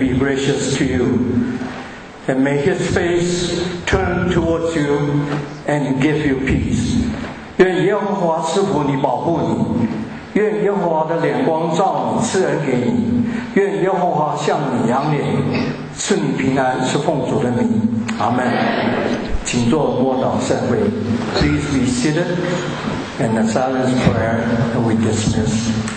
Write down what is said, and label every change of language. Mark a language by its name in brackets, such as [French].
[English] And may his face turn towards you and give you peace. [Chinese] 愿耶和华赐福你，保护你。愿耶和华的脸光照你，赐恩给你。愿耶和华向你扬脸，赐你平安，是奉主的名。阿门。请坐，默祷散会。 [English] Please be seated and a silent prayer and we dismiss.